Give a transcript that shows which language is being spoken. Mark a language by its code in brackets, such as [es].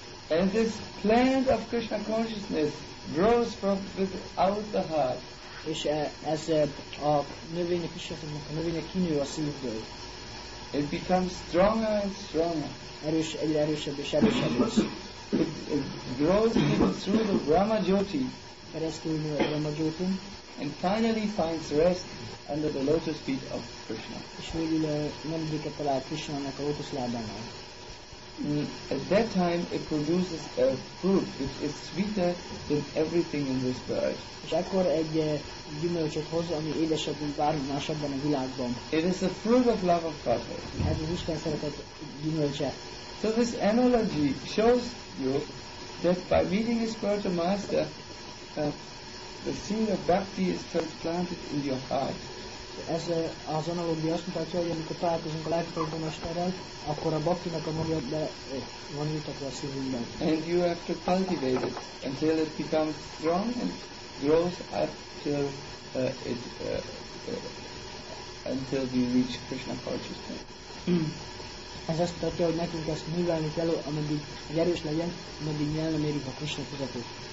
[en] And this plant of Krishna consciousness grows from without the heart. [hu] És ez a növény, a Krishna a növény kinő a szívből. [en] It becomes stronger and stronger. [hu] Erős, egyre erősebb és erősebb lesz. [en] It grows through the Brahma Jyoti. [hu] Keresztül nő a Brahma Jyoti. [en] And finally finds rest under the lotus feet of Krishna. [hu] És végül megbéket talál Krishna-nak a lotus lábánál. [en] At that time it produces a fruit which is sweeter than everything in this world. [hu] És akkor egy gyümölcsöt hoz, ami édesebb, mint bármi más ebben a világban. [en] It is a fruit of love of Godhead. [hu] Ez az Isten szeretet gyümölcse. [en] So this analogy shows you that by meeting a spiritual master, the seed of bhakti is transplanted in your heart. [hu] Ez az analógia azt mutatja, hogy amikor találkozunk a legfőbb mesterrel, akkor a bhaktinak a magja van ültetve a szívünkben. [en] And you have to cultivate it until it becomes strong and grows up till it until we reach Krishna consciousness. [hu] Ez azt mutatja, hogy nekünk ezt művelni kell, ameddig erős legyen, ameddig el nem érjük a Krishna tudatot.